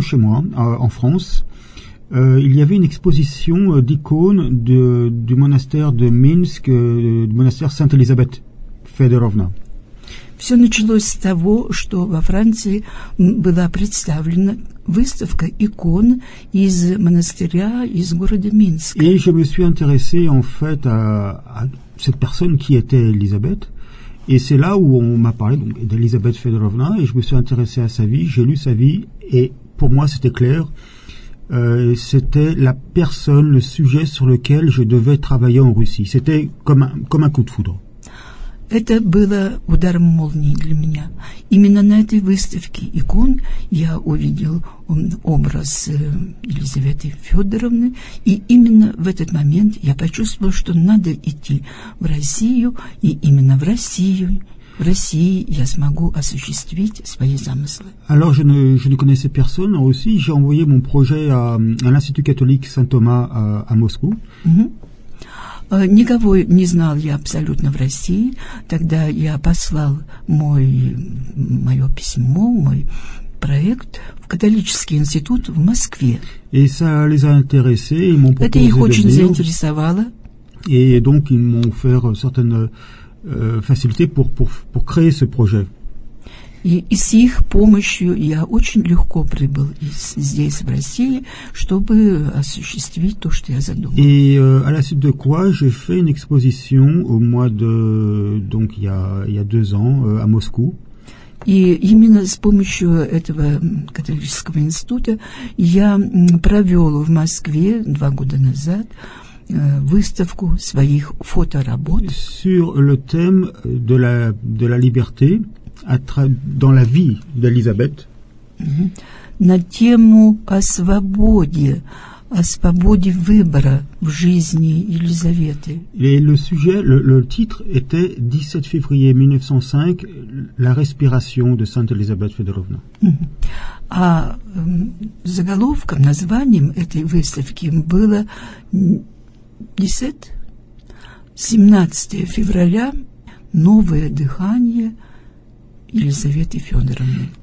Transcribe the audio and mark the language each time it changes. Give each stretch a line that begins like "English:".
French: chez moi, en France, il y avait une exposition d'icônes du monastère de Minsk, du monastère Sainte-Elisabeth Fedorovna.
Russian: Все началось с того, что во Франции была представлена выставка икон из монастыря, из города Минск.
French: Et je me suis intéressé en fait à cette personne qui était Elisabeth, et c'est là où on m'a parlé donc d'Elisabeth Fedorovna, et je me suis intéressé à sa vie, j'ai lu sa vie, et pour moi c'était clair, c'était la personne, le sujet sur lequel je devais travailler en Russie. C'était comme un coup de foudre.
Russian: Это было ударом молнии для меня. Именно на этой выставке икон я увидел образ Елизаветы Федоровны, и именно в этот момент я почувствовал, что надо идти в Россию, и именно в России я смогу осуществить свои замыслы.
French: Alors je ne connaissais personne en Russie, j'ai envoyé mon projet à l'Institut catholique Saint-Thomas à Moscou.
Russian: Никого не знал я абсолютно в России. Тогда я послал мое письмо, мой проект в католический институт в Москве.
French: Et ça les a intéressés, ils m'ont
Russian: proposé. Это их очень заинтересовало.
French: Et donc ils m'ont offert certaines facilités pour créer ce projet.
Russian: И с их помощью я очень легко прибыл здесь, в России, чтобы осуществить то, что я задумал.
French: И à la suite de quoi, j'ai fait une exposition au mois de, donc il y a deux ans, à Moscou.
Russian: И именно с помощью этого католического института я провел в Москве два года назад выставку своих фоторабот.
French: Sur le thème de la liberté. Dans la vie d'Elisabeth.
Russian: На тему о свободе выбора в жизни Елизаветы.
French: Et le sujet, le titre était 17 février 1905, la respiration de Sainte Elisabeth Fedorovna.
Russian: А заголовком, названием этой выставки было 17 февраля, новое дыхание Елизаветы Федоровны.